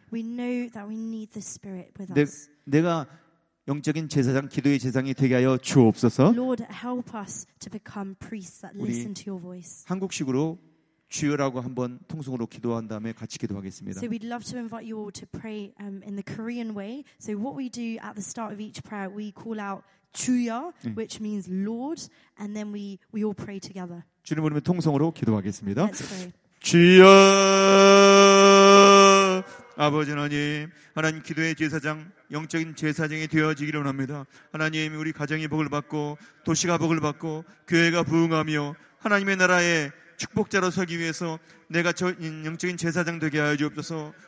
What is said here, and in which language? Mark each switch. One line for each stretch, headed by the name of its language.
English: We know that we need the Spirit with us.
Korean: 내가 영적인 제사장, 기도의 제사장이 되게 하여 주옵소서.
English: Lord, help us to become priests that listen to your voice.
Korean: 한국식으로 주여라고 한번 통성으로 기도한 다음에 같이 기도하겠습니다.
English: So we'd love to invite you all to pray in the Korean way. So what we do at the start of each prayer, we call out 주여, which means Lord, and then we all pray together.
Korean: 주님 이름으로 통성으로 기도하겠습니다.
English: Let's pray.
Korean: 주여, 아버지 하나님, 하나님 기도의 제사장. 영적인 제사장이 되어지기를 원합니다. 하나님 우리 가정이 복을 받고 도시가 복을 받고 교회가 부흥하며 하나님의 나라에 축복자로 서기 위해서 내가 영적인 제사장 되게 하여 주옵소서.